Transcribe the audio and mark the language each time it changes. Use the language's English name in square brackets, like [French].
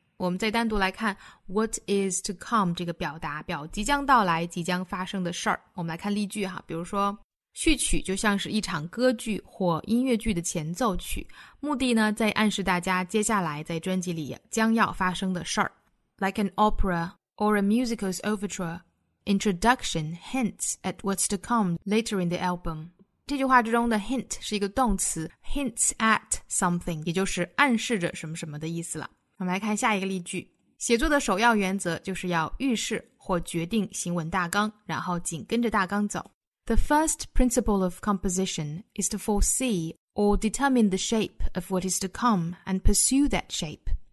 [Chinese] 我们再单独来看 [English] what is to come [Chinese] 这个表达表即将到来即将发生的事儿。我们来看例句哈比如说序曲就像是一场歌剧或音乐剧的前奏曲目的呢在暗示大家接下来在专辑里将要发生的事儿。 [English] Like an opera,Or a musical's overture. Introduction hints at what's to come later in the album. [Chinese] 这句话之中的 hint 是一个动词 [English] hints at something, [Chinese] 也就是暗示着什么什么的意思了。我们来看下一个例句。写作的首要原则就是要预示或决定行文大纲然后紧跟着大纲走。 [English] The first principle of composition is to foresee or determine the shape of what is to come and pursue that shape.